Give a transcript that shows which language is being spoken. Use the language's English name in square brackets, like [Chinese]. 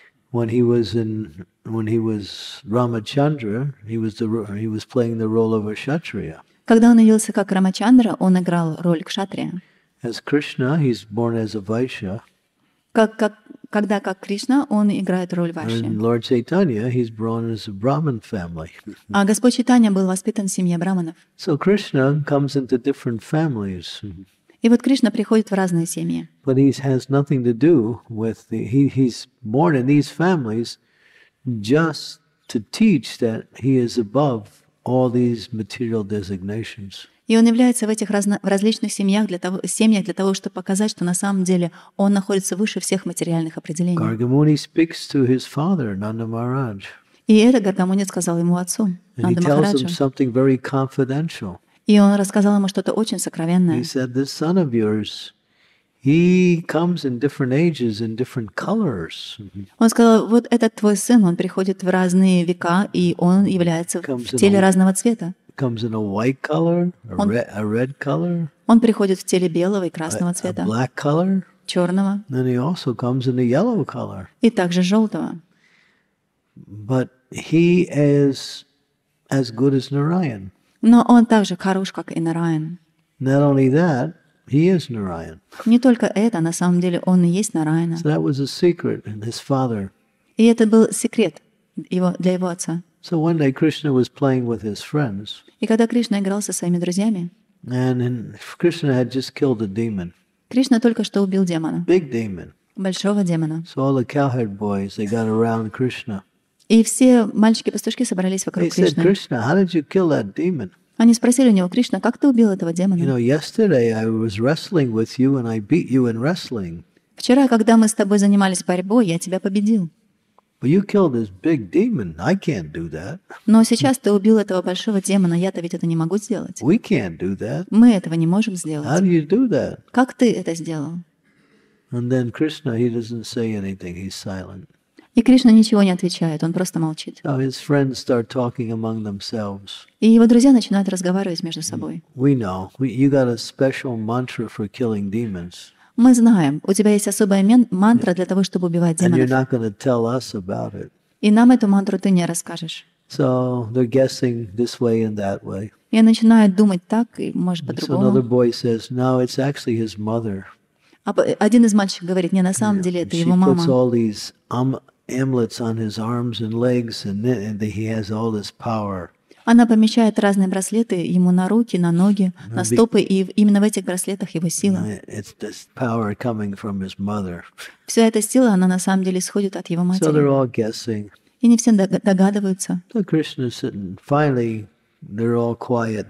[English] When he was Ramachandra, he was playing the role of a Kshatriya. [Russian] Когда он явился как Рамачандра, он играл роль кшатрия. [English] As Krishna, he's born as a Vaishya. [Russian] Как Кришна, он играет роль Вайши. [English] And Lord Chaitanya, he's born as a Brahmin family. [Russian] А Господь Чайтанья был воспитан в семье брахманов. [English] So Krishna comes into different families. [Russian] И вот Кришна приходит в разные семьи. [English] But he has nothing to do with he's born in these families just to teach that he is above all these material designations. [Russian] И он является в этих различных семьях для того, чтобы показать, что на самом деле он находится выше всех материальных определений. [English] Garga Muni speaks to his father, Nanda Maharaj. [Russian] И это Garga Muni сказал ему отцу, Нанда Махараджу. [English] He tells him something very confidential. [Russian] И он рассказал ему что-то очень сокровенное. [English] He said, this son of yours, he comes in different ages, in different colors. [Russian] Он сказал, вот этот твой сын, он приходит в разные века, и он является в теле разного цвета. [English] Comes in a white color, a red color. [Russian] Он приходит в теле белого и красного цвета. [English] A black color. [Russian] Черного. [English] Then he also comes in a yellow color. [Russian] И также желтого. [English] But he is as good as Narayan. [Russian] Но он также хорош, как и Нараян. [English] Not only that, he is Narayan. [Russian] Не только это, на самом деле он и есть Нараяна. [English] So that was a secret in his father. [Russian] И это был секрет для его отца. [English] So one day Krishna was playing with his friends. [Russian] И когда Кришна играл со своими друзьями. [English] And Krishna had just killed a demon. [Russian] Кришна только что убил демона. [English] Big demon. [Russian] Большого демона. [English] So all the cowherd boys, they got around Krishna. [Russian] И все мальчики-пастушки собрались вокруг Кришны. [English] They said, Krishna, how did you kill that demon? [Russian] Они спросили у него, Кришна, как ты убил этого демона? [English] You know, yesterday I was wrestling with you and I beat you in wrestling. [Russian] Вчера, когда мы с тобой занимались борьбой, я тебя победил. [English] But you killed this big demon. I can't do that. [Russian] Но сейчас ты убил этого большого демона. Я-то ведь это не могу сделать. [English] We can't do that. [Russian] Мы этого не можем сделать. [English] How do you do that? [Russian] Как ты это сделал? [English] And then Krishna, he doesn't say anything. He's silent. [Russian] И Кришна ничего не отвечает, он просто молчит. [English] So his friends start talking among themselves. [Russian] И его друзья начинают разговаривать между собой. [English] We know. You got a special mantra for killing demons. [Russian] Мы знаем, у тебя есть особая мантра для того, чтобы убивать демонов. [English] And you're not going to tell us about it. [Russian] И нам эту мантру ты не расскажешь. [English] So they're guessing this way and that way. [Russian] Я начинаю думать так и может по-другому. [English] Another boy says, "No, it's actually his mother." [Russian] Один из мальчиков говорит: "Не, на самом деле это его мама." [English] She puts all these amulets on his arms and legs, and he has all this power. [Russian] Она помещает разные браслеты ему на руки, на ноги, на стопы, и именно в этих браслетах его сила. [English] It's the power coming from his mother. [Russian] Вся эта сила, она на самом деле исходит от его матери. [English] So they're all guessing. [Russian] И не все догадываются. [English] So Krishna's sitting. Finally, they're all quiet.